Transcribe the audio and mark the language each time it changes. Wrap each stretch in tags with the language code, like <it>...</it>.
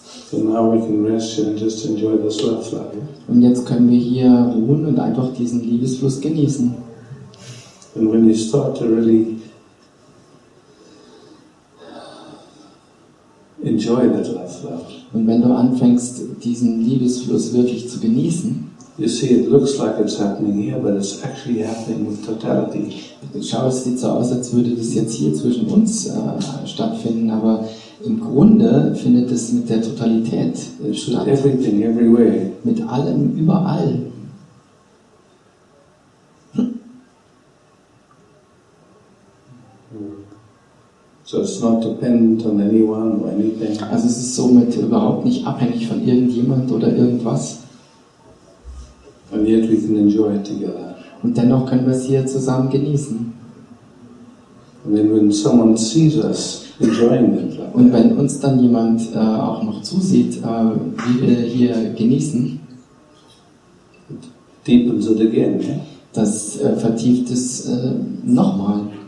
<en>So now we can rest here and just enjoy this love flow.</en> <de>Und jetzt können wir hier ruhen und einfach diesen Liebesfluss genießen.</de> <en>And when you start to really enjoy that love flow.</en> <de>Und wenn du anfängst, diesen Liebesfluss wirklich zu genießen,</de> <en>you see, it looks like it's happening here, but it's actually happening with totality.</en> <de>Schau, es sieht so aus, als würde das jetzt hier zwischen uns stattfinden, aber im Grunde findet es mit der Totalität statt.</de> <en>Everything, everywhere.</en> <de>Mit allem, überall.</de> <en>So it's not dependent on anyone or anything.</en> <de>Also es ist somit überhaupt nicht abhängig von irgendjemand oder irgendwas.</de> <en>And yet we can enjoy it together.</en> <de>Und dennoch können wir es hier zusammen genießen.</de> <en>And then when someone sees us enjoying it,</en> <de>und wenn uns dann jemand auch noch zusieht, wie wir hier genießen,</de> <en>it deepens it again, yeah?</en> <de>Das vertieft es nochmal.</de>